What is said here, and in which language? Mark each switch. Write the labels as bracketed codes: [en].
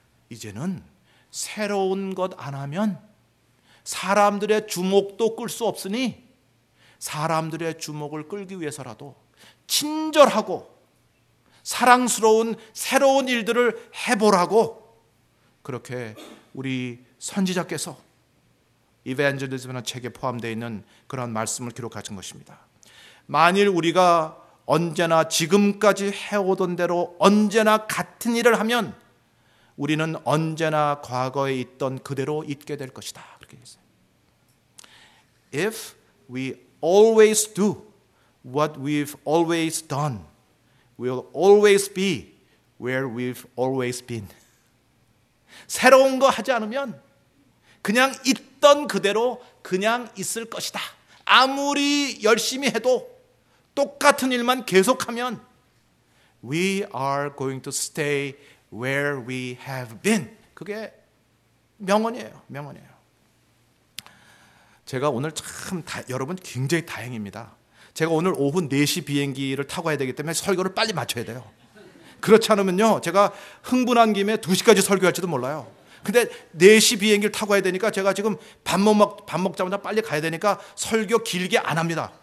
[ko] 이제는 새로운 것 안 하면 사람들의 주목도 끌 수 없으니 사람들의 주목을 끌기 위해서라도 친절하고 사랑스러운 새로운 일들을 해보라고 그렇게 우리 선지자께서 이벤젤리즘이라는 책에 포함되어 있는 그런 말씀을 기록하신 것입니다. 만일 우리가 언제나 지금까지 해오던 대로 언제나 같은 일을 하면 우리는 언제나 과거에 있던 그대로 있게 될 것이다. 그렇게 했어요. [en] If we always do what we've always done, we'll always be where we've always been. [ko] 새로운 거 하지 않으면 그냥 있던 그대로 그냥 있을 것이다. 아무리 열심히 해도 똑같은 일만 계속하면 [en] we are going to stay where we have been. [ko] 그게 명언이에요. 제가 오늘 참 여러분 굉장히 다행입니다. 제가 오늘 오후 4시 비행기를 타고 와야 되기 때문에 설교를 빨리 마쳐야 돼요. 그렇지 않으면요 제가 흥분한 김에 2시까지 설교할지도 몰라요. 근데 4시 비행기를 타고 와야 되니까 제가 지금 밥 먹자마자 빨리 가야 되니까 설교 길게 안 합니다.